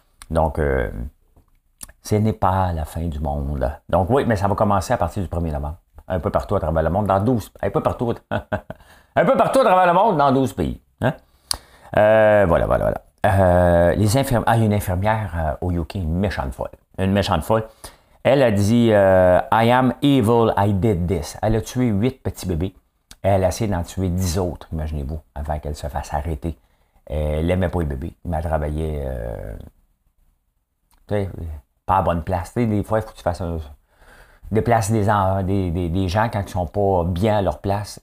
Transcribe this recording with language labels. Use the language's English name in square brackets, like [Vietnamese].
[French] Donc, ce n'est pas la fin du monde. Donc oui, mais ça va commencer à partir du 1er novembre. Un peu partout à travers le monde, dans 12 pays. Un peu partout un peu partout à travers le monde, dans 12 pays. Hein? Voilà. Les infirmières. Ah, il y a une infirmière au UK, une méchante folle. Une méchante folle. Elle a dit [English] I am evil, I did this. [French] Elle a tué 8 petits bébés. Elle a essayé d'en tuer 10 autres, imaginez-vous, avant qu'elle se fasse arrêter. Elle n'aimait pas les bébés. Mais elle travaillait pas à bonne place. T'sais, des fois, il faut que tu fasses déplacer des gens quand ils sont pas bien à leur place.